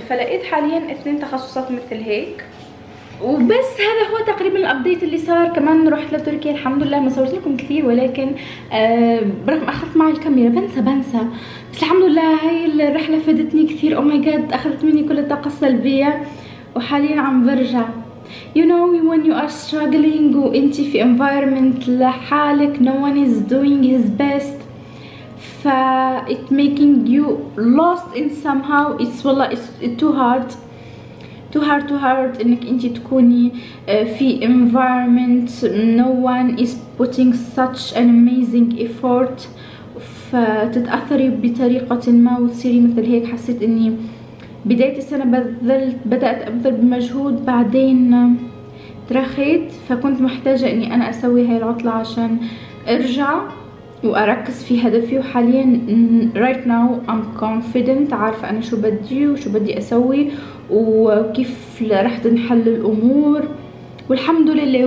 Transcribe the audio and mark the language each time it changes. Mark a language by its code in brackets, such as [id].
[ar] فلقيت حاليا 2 تخصصات مثل هيك وبس. هذا هو تقريبا الابديت اللي صار. كمان رحت لتركيا الحمد لله، ما صورت لكم كثير، ولكن برغم اخذت معي الكاميرا بنسى بس الحمد لله هاي الرحلة فادتني كثير. او ماي جاد، اخذت مني كل الطاقة السلبية وحاليا عم برجع. [en] You know when you are struggling [ar] وانت في [en] environment [ar] لحالك [en] no one is doing his best ف it making you lost in somehow. It's [ar] والله [en] it's too hard too hard too hard [ar] انك انت تكوني في [en] environment no one is putting such an amazing effort [ar] فتتأثري بطريقة ما وتصيري مثل هيك. حسيت اني بداية السنة بدأت ابذل بمجهود، بعدين ترخيت، فكنت محتاجة اني انا اسوي هاي العطلة عشان ارجع واركز في هدفي. وحاليا [en] right now I'm confident، [ar] عارفة انا شو بدي وشو بدي اسوي وكيف رح تنحل الامور، والحمد لله.